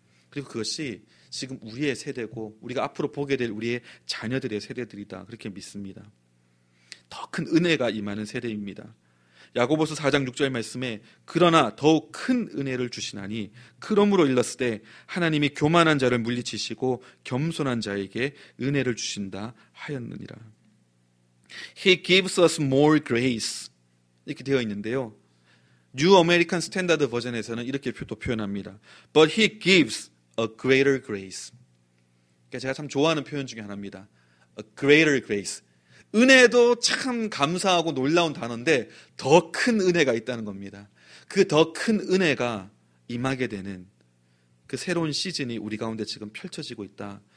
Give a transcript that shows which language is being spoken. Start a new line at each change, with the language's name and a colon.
Korean: 그리고 그것이 지금 우리의 세대고 우리가 앞으로 보게 될 우리의 자녀들의 세대들이다, 그렇게 믿습니다. 더 큰 은혜가 임하는 세대입니다. 야고보서 4장 6절 말씀에 그러나 더욱 큰 은혜를 주시나니 그러므로 일렀으되 하나님이 교만한 자를 물리치시고 겸손한 자에게 은혜를 주신다 하였느니라.
English: He gives us more grace,
Korean: 이렇게 되어 있는데요,
English: New American Standard
Korean: 버전에서는 이렇게 표현합니다.
English: But he gives a greater grace.
Korean: 제가 참 좋아하는 표현 중에 하나입니다.
English: A greater grace.
Korean: 은혜도 참 감사하고 놀라운 단어인데 더 큰 은혜가 있다는 겁니다. 그 더 큰 은혜가 임하게 되는 그 새로운 시즌이 우리 가운데 지금 펼쳐지고 있다.